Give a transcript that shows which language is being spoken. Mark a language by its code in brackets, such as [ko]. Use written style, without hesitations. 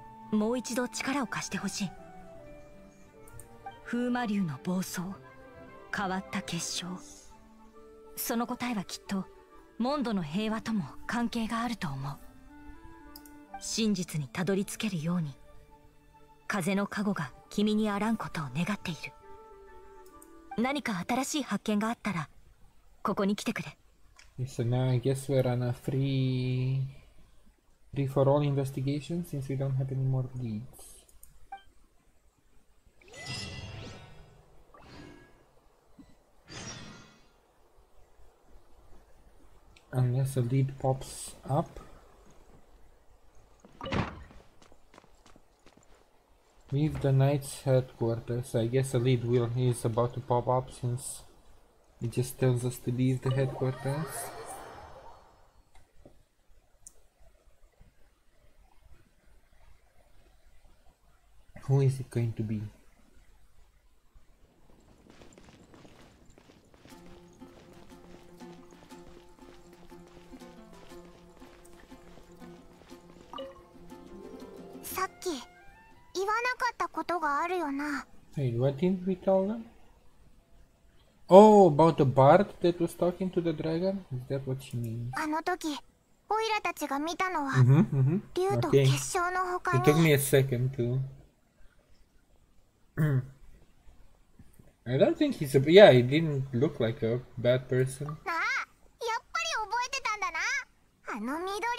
[ja] もう一度力を貸してほしい。風魔竜の暴走、変わった結晶。その答えはきっとモンドの平和とも関係があると思う。真実にたどり着けるように、風の加護が君にあらんことを願っている。何か新しい発見があったらここに来てくれ。 [en] So now I guess we're on a free for all investigation since we don't have any more leads. Unless a lead pops up. With the knight's headquarters, I guess a lead wheel is about to pop up since it just tells us to leave the headquarters. Who is it going to be? [ja] さっき言わなかったことがあるよな。 [en] Wait, what didn't we tell them? Oh, about the bard that was talking to the dragon? Is that what she means? [ja] あの時、オイラたちが見たのは、竜と結晶の他に。 [en] It took me a second to. I don't think he's a. Yeah, he didn't look like a bad person. [ja] なあ、やっぱり覚えてたんだな。あの緑の野郎。